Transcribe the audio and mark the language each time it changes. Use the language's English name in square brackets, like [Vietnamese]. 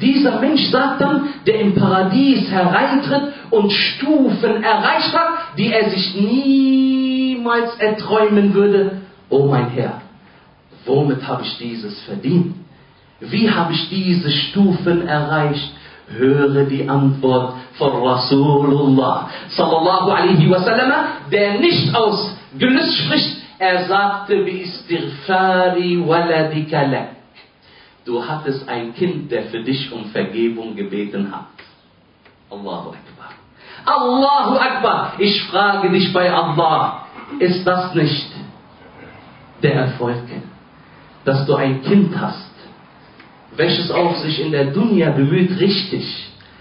[German] Dieser Mensch sagt dann, der im Paradies hereintritt und Stufen erreicht hat, die er sich niemals erträumen würde. O mein Herr, womit habe ich dieses verdient? Wie habe ich diese Stufen erreicht? Höre die Antwort von Rasulullah sallallahu alaihi wasallam, der nicht aus Genuss spricht. Er sagte, [Arabic] بِإِسْتِغْفَارِ وَلَدِكَ لَكَ. [German] Du hattest ein Kind, der für dich um Vergebung gebeten hat. Allahu Akbar. Allahu Akbar. Ich frage dich bei Allah, ist das nicht der Erfolg, dass du ein Kind hast, welches auch sich in der Dunya bemüht, richtig,